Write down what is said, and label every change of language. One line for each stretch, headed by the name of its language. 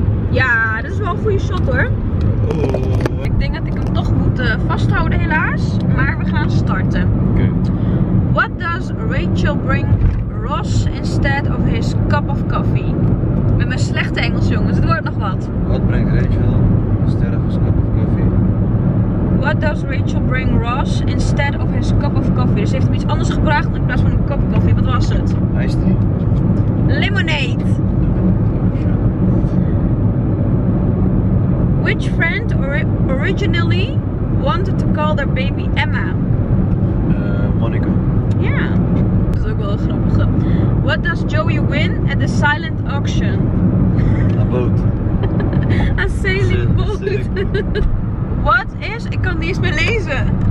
Dutch: Ja, dat is wel een goede shot hoor. Oh. Ik denk dat ik hem toch moet vasthouden helaas. Maar we gaan starten. Okay.
English: What does Rachel bring Ross instead of his cup of coffee?
Dutch: Met mijn slechte Engels, jongens. Het wordt nog wat.
English: What brings Rachel instead of his cup of coffee? What does Rachel bring Ross instead of his cup of coffee?
Dutch: Dus heeft hem iets anders gebracht in plaats van een kop koffie. Wat was het?
English: Iced tea. Lemonade. Which friend originally wanted to call their baby Emma? Monica. Ja. Yeah.
Dutch: Dat is ook wel een grappige.
English: What does Joey win at the silent auction? A boat. A sailing boat.
Dutch: Wat is, ik kan het niet eens meer lezen.